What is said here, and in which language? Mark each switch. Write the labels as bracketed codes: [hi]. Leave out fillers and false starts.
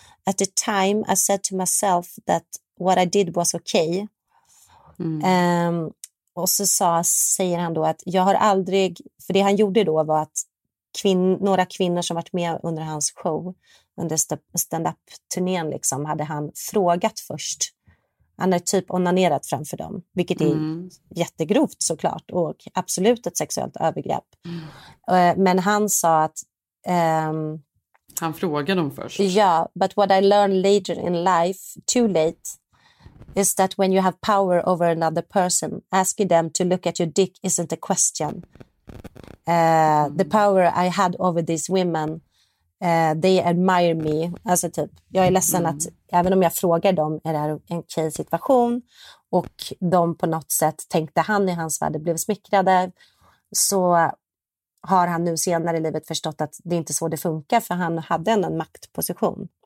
[en] At the time I said to myself that what I did was okay. Mm. [sv] Och så sa, säger han då att jag har aldrig, för det han gjorde då var att några kvinnor som varit med under hans show, under stand-up-turnén liksom, hade han frågat först. Han är typ onanerat framför dem, vilket är jättegrovt såklart och absolut ett sexuellt övergrepp. Mm. Men han sa att... han frågade dem först. [en] Ja, but what I learned later in life, too late, is that when you have power over another person, asking them to look at your dick isn't a question. The power I had over these women, they admire me. [sv] Alltså typ, jag är ledsen att även om jag frågar dem, är det här en tjej-situation? Och de på något sätt tänkte han i hans värld blev smickrade, så har han nu senare i livet förstått att det inte är så det funkar, för han hade ändå en maktposition.